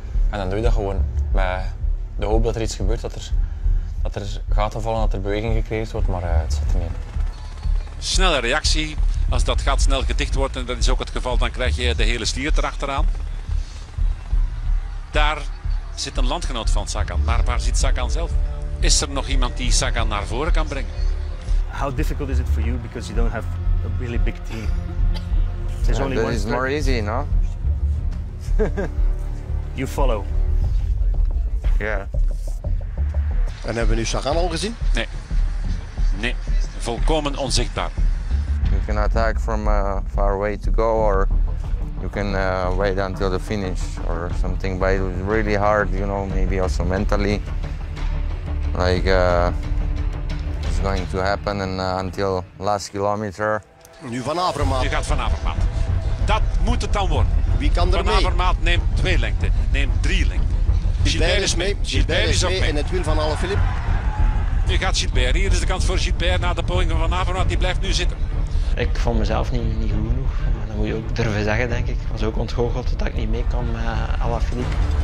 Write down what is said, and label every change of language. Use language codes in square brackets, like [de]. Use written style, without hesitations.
[nl] En dan doe je dat gewoon met de hoop dat er iets gebeurt, dat er gaten vallen, dat er beweging gecreëerd wordt, maar het zit er niet. Snelle reactie, als dat gat snel gedicht wordt, en dat is ook het geval, dan krijg je de hele stier erachteraan. Daar zit een landgenoot van Sagan, maar waar zit Sagan zelf? Is er nog iemand die Sagan naar voren kan brengen? [en] How difficult is it for you because you don't have a really big team? There's only one. It's more easy, no? You follow. Yeah. [nl] En hebben we nu Sagan al gezien? Nee. Nee. Volkomen onzichtbaar. [en] You can attack from a far way to go, or you can wait until the finish or something. But it was really hard, you know, maybe also mentally. Like it's going to happen and until last kilometer. [nl] Nu Van Avermaat. Nu gaat Van Avermaat. Dat moet het dan worden. Wie kan er Van mee? Van Avermaat neemt twee lengte, neemt drie lengte. Gilbert is mee. Gilbert is mee. In het wiel van Alaphilippe. Nu gaat Gilbert. Hier is de kans voor Gilbert na de poging van Van Avermaat. Die blijft nu zitten. Ik vond mezelf niet goed genoeg. Dat moet je ook durven zeggen, denk ik. Ik was ook ontgoocheld dat ik niet mee kan met Alaphilippe.